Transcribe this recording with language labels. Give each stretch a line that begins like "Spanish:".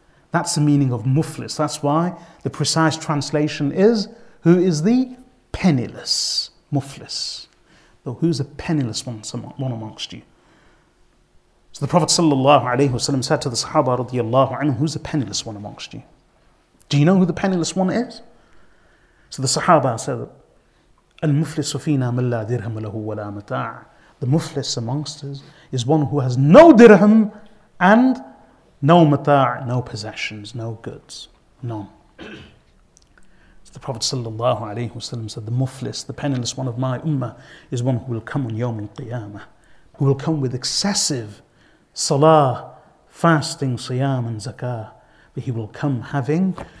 English: That's the meaning of muflis. That's why the precise translation is, who is the penniless muflis? Well, who's a penniless one amongst you? So the Prophet sallallahu alaihi wasallam said to the Sahaba radiallahu anhu, who's a penniless one amongst you? Do you know who the penniless one is? So the Sahaba said,
Arabic: المفلس فينا من لا درهم له ولا متاع.
English: The muflis amongst us is one who has no dirham and no mata, no possessions, no goods, none. So the Prophet sallallahu alaihi wasallam said, the muflis, the penniless one of my ummah, is one who will come on yawm al-qiyamah, who will come with excessive salah, fasting, siyam and zakah, but he will come having